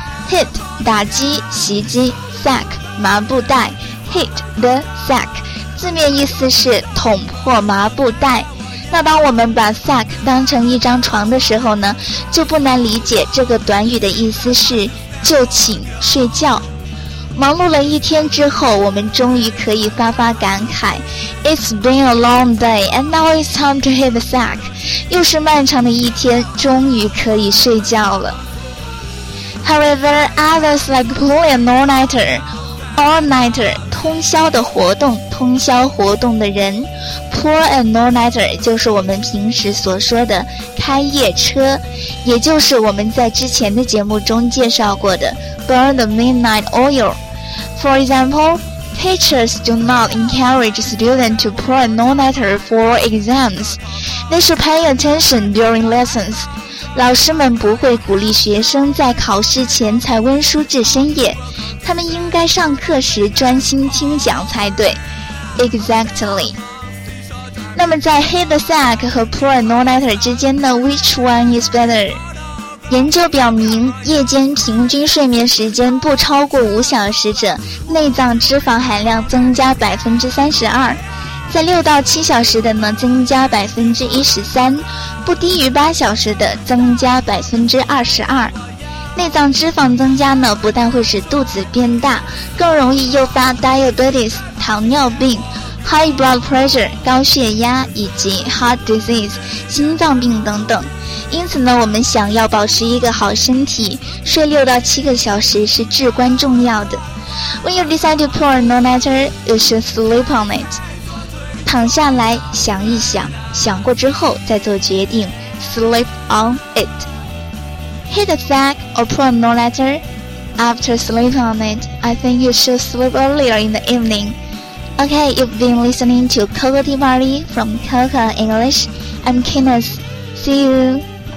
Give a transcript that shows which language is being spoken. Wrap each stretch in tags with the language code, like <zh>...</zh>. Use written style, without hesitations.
<zh>hit 打击袭击， sack 麻布袋， hit the sack 字面意思是捅破麻布袋。那当我们把 sack 当成一张床的时候呢，就不难理解这个短语的意思是就寝睡觉。忙碌了一天之后，我们终于可以发发感慨，</zh> <en>It's been a long day and now it's time to hit the sack。</en> <zh>又是漫长的一天，终于可以睡觉了。</zh> <en>However, others like pulling an all-nighter,</en> <zh>all-nighter 通宵的活动，通宵活动的人， pull an all-nighter 就是我们平时所说的开夜车，也就是我们在之前的节目中介绍过的</zh> <en>burn the midnight oil。 For example, teachers do not encourage students to pull an all-nighter for exams. They should pay attention during lessons.</en> <zh>老师们不会鼓励学生在考试前才温书至深夜，他们应该上课时专心听讲才对。</zh> <en>Exactly. 那么在 hit the sack 和 pull an all-nighter</en> <zh>之间呢，</zh> <en>which one is better?</en> <zh>研究表明，夜间平均睡眠时间不超过五小时者，内脏脂肪含量增加 32%， 在六到七小时的呢增加 13%， 不低于八小时的增加 22%。内脏脂肪增加呢，不但会使肚子变大，更容易诱发 diabetes 糖尿病、 high blood pressure 高血压以及 heart disease 心脏病等等。因此呢，我们想要保持一个好身体，睡六到七个小时是至关重要的。</zh> <en>When you decide to pull an all-nighter, you should sleep on it.</en> <zh>躺下来想一想，想过之后再做决定， sleep on it.</zh> <en>Hit a sack or pull an all-nighter. After sleep on it, I think you should sleep earlier in the evening. Okay, you've been listening to Coco Tea Party from Coco English. I'm Kenneth. See you.</en>